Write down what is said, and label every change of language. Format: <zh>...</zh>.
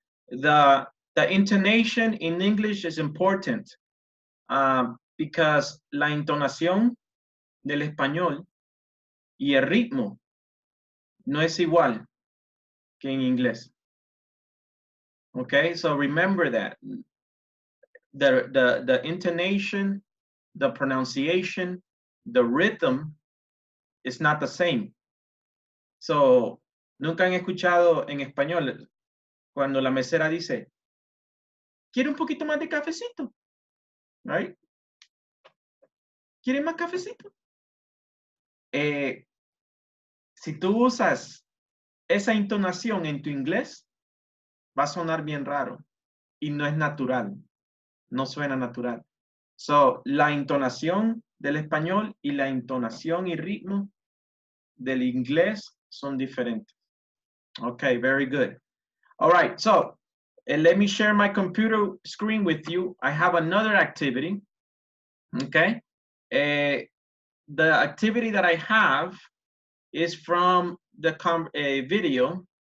<en>The intonation in English is important because</en> <es>la entonación del español y el ritmo no es igual que en inglés.</es> <en>Okay, so remember that. The intonation, the pronunciation, the rhythm, it's not the same.</en> <es>So, nunca han escuchado en español cuando la mesera dice, ¿quiere un poquito más de cafecito? Right? ¿Quiere más cafecito? Si tú usas esa entonación en tu inglés, va a sonar bien raro y no es natural. No suena natural. So, la entonación del español y la entonación y ritmo del inglés son diferentes.</es> <en>Okay, very good. All right, so let me share my computer screen with you. I have another activity. Okay. The activity that I have is from the video.</en>